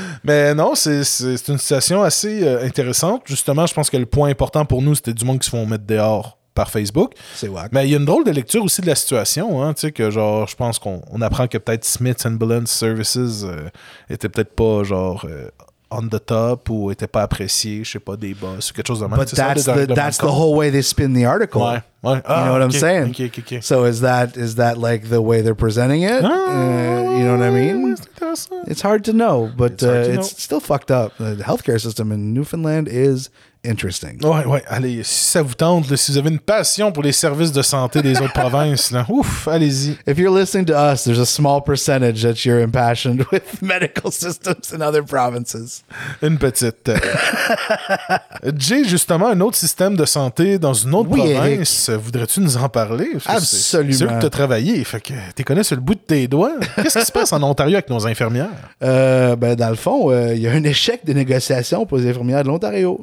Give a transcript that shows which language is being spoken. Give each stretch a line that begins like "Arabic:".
French: Mais non, c'est une situation assez intéressante. Justement, je pense que le point important pour nous, c'était du monde qui se font mettre dehors par Facebook. C'est wack. Mais il y a une drôle de lecture aussi de la situation. Hein, tu sais, que genre, je pense qu'on apprend que peut-être Smith's Ambulance Services était peut-être pas genre
English: on the top
French: ou était pas apprécié, je sais pas, des boss ou quelque chose de même.
English: But
French: c'est
English: that's,
French: ça,
English: the, that's the whole way they spin the article.
French: Ouais, ouais.
English: You know what I'm saying? Okay. So is that like the way they're presenting it? You know what I mean? It's hard to know, but it's know. Still fucked up. The healthcare system in Newfoundland is interesting.
French: Ouais, ouais. Allez, si ça vous tente, là, si vous avez une passion pour les services de santé des autres provinces, là, ouf, allez-y.
English: If you're listening to us, there's a small percentage that you're impassioned with medical systems in other provinces.
French: Une petite. J'ai justement un autre système de santé dans une autre province. Eric. Voudrais-tu nous en parler? Parce absolument. C'est sûr que tu as travaillé. Fait que tu connais sur le bout de tes doigts. Qu'est-ce qui se passe en Ontario avec nos infirmières? Dans le fond, il y a un échec de négociation pour les infirmières de l'Ontario.